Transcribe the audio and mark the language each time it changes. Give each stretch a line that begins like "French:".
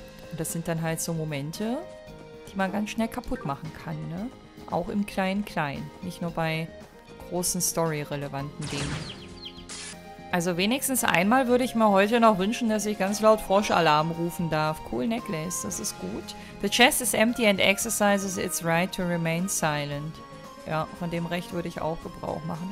German: Und das sind dann halt so Momente, die man ganz schnell kaputt machen kann, ne? Auch im Klein-Klein, nicht nur bei großen Story-relevanten Dingen. Also wenigstens einmal würde ich mir heute noch wünschen, dass ich ganz laut Froschalarm rufen darf. Cool Necklace, das ist gut.
English: The chest is empty and exercises its right to remain silent.
German: Ja, von dem Recht würde ich auch Gebrauch machen.